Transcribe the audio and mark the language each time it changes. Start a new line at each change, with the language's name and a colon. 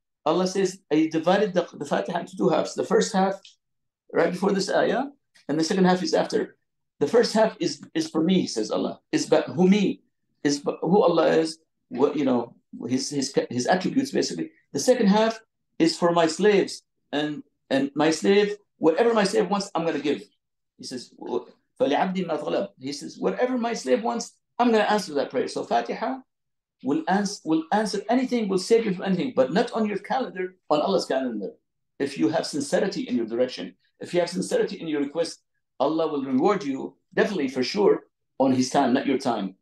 English: Allah says, I divided the Fatiha into two halves. The first half, right before this ayah, and the second half is after. The first half is for me, says Allah. It's about who me, is who Allah is, what, you know, his attributes, basically. The second half is for my slaves. And my slave, whatever my slave wants, I'm going to give. He says,
Arabic: فَلِعَبْدِي مَا طَلَبْ.
English: He says, whatever my slave wants, I'm going to answer that prayer. So Fatiha will answer anything, will save you from anything, but not on your calendar, on Allah's calendar. If you have sincerity in your direction, if you have sincerity in your request, Allah will reward you, definitely for sure, on his time, not your time.